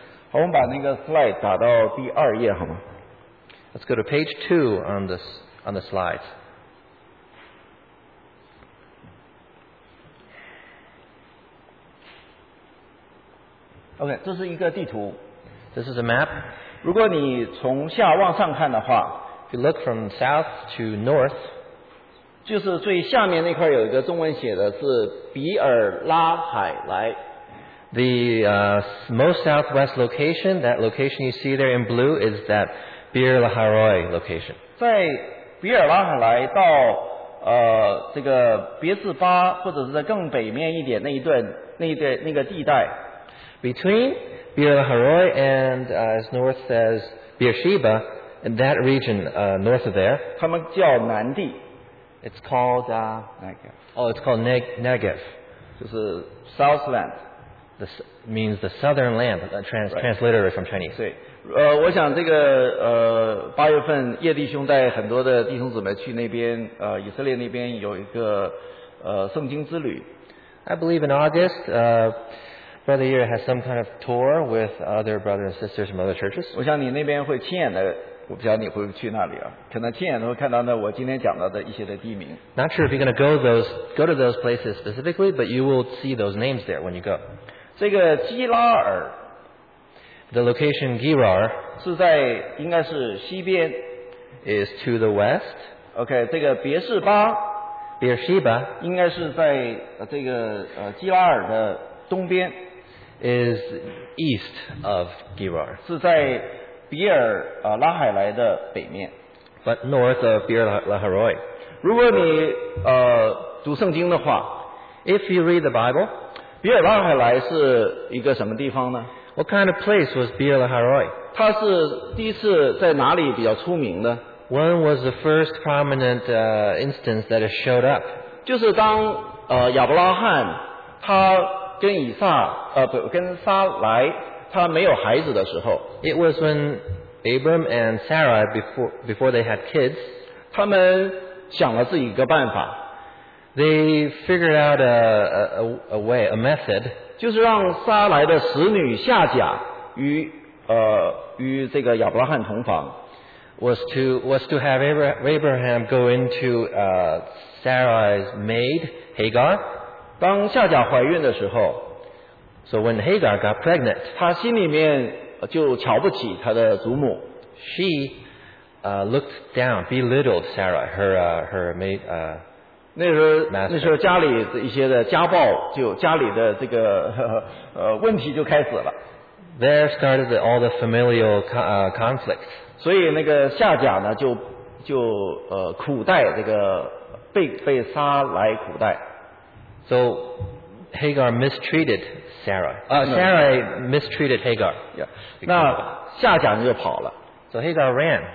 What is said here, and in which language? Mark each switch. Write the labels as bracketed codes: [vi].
[zh] 好，我们把那个 slide 打到第二页好吗？ [en] Let's go to page 2 on the slides. [zh] OK, 这是一个地图。 [en] This is a map. [zh] 如果你从下往上看的话 [en] If you look from south to north, [zh] 就是最下面那块有一个中文写的是比尔拉海莱。 [en] The most southwest location, that location you see there in blue, is that Bir Laharoy location. [zh] 在比尔拉海莱到这个别斯巴或者是在更北面一点那个地带 [en] Between Bir Laharoy and as north as Beersheba, in that region north of there, [zh] 他们叫南地 [en] It's called Negev. Oh, it's called Negev. [zh] 就是 Southland. [en] This means the southern land, transliterated from Chinese. [zh] 对，我想这个八月份叶弟兄带很多的弟兄姊妹去那边，以色列那边有一个圣经之旅。 [en] I believe in August. Brother Yer has some kind of tour with other brothers and sisters from other churches. [zh] 我想你那边会亲眼的，我不知道你会去那里啊，可能亲眼都会看到那我今天讲到的一些的地名。 [en] Not sure if you're going to go to those places specifically, but you will see those names there when you go. [zh] 这个基拉尔 [en] ，the location Girar [zh] 是在应该是西边 [en] ，is to the west. [zh] OK， 这个别士巴 [en] ，Beersheba [zh] 应该是在这个基拉尔的。东边 [en] is east of Girar [zh] 是在比尔拉海莱的北面 [en] but north of Bir Laharoy [zh] 如果你读圣经的话 [en] if you read the Bible [zh] 比尔拉海莱是一个什么地方呢 [en] what kind of place was Bir Laharoy [zh] 它是第一次在哪里比较出名的 [en] when was the first prominent instance that it showed up [zh] 就是当亚伯拉罕他跟以撒跟撒来他没有孩子的时候 [en] It was when Abram and Sarah before they had kids [zh] 他们想了自己一个办法 [en] They figured out a method [zh] 就是让撒来的使女夏甲与这个亚伯拉罕同房 [en] was to have Abraham go into Sarah's maid Hagar [zh] 当夏甲怀孕的时候 [en] ，So when Hagar got pregnant， [zh] 她心里面就瞧不起她的祖母。 [en] She looked down, belittled Sarah, her maid, [zh] 那时候家里的一些的家暴，就家里的这个问题就开始了。 [en] There started all the familial conflicts. [zh] 所以那个夏甲呢，就苦待这个被杀来苦待。 [en] So Hagar mistreated Sarah. Sarah mistreated Hagar. [zh] Yeah. 那夏甲就跑了。 [en] So Hagar ran.